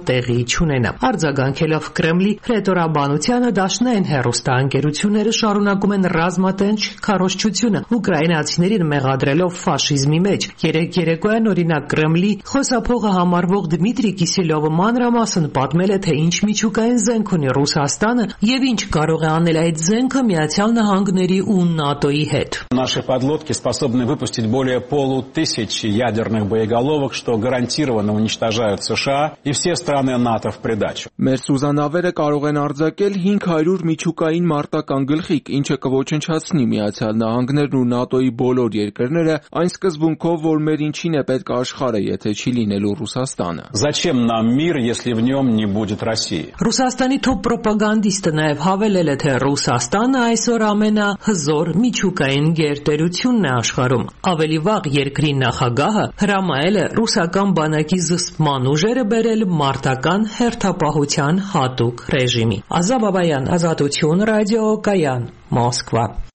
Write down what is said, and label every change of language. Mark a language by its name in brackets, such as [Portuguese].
[Armenian] տեղի չունենա։ Արձագանքելով Կրեմլի հրետորաբանությանը, դաշնային հեռուստաընկերությունները շարունակում են ռազմատենչ քարոշչությունը, ուկրաինացիներին մեղադրելով ֆաշիզմի մեջ։ 3 երեկոյան, օրինակ, Կրեմլի խոսափողը համարվող Դմիտրի Կիսիլովը մանրամասն պատմել է, թե ինչ միջուկային զենք ունի Ռուսաստանը և ինչ կարող է անել այդ զենքը Միացյալ Նահանգների ու ՆԱՏՕ-ի հետ։ [Russian] Наши подлодки способны выпустить более полутысячи ядерных боеголовок, что гарантированно уничтожают США и все страны НАТО в придачу. [Armenian] Մեր սուզանավերը կարող են արձակել 500 միջուկային մարտական գլխիկ, ինչը կոչնչացնի Միացյալ Նահանգներն ու ՆԱՏՕ-ի բոլոր երկրները այն սկզբունքով, որ մեր ինչին է պետք աշխարհը, եթե չի լինելու Ռուսաստանը. [Russian] Зачем нам мир, если в нём не будет России? [Armenian] Ռուսաստանի թո պրոպագանդիստը նաև հավելել է, թե Ռուսաստանը այսօր ամենա հզոր միջուկային գերտերությունն է աշխարում։ Ավելի վաղ երկրի նախագահը հրամայել է ռուսական բանակի զսպման ուժերը բերել մարտական հերթապահության հատուկ ռեժիմի։ Ազա Բաբայան, Ազատություն ռադիո, Կայան, Մոսկվա։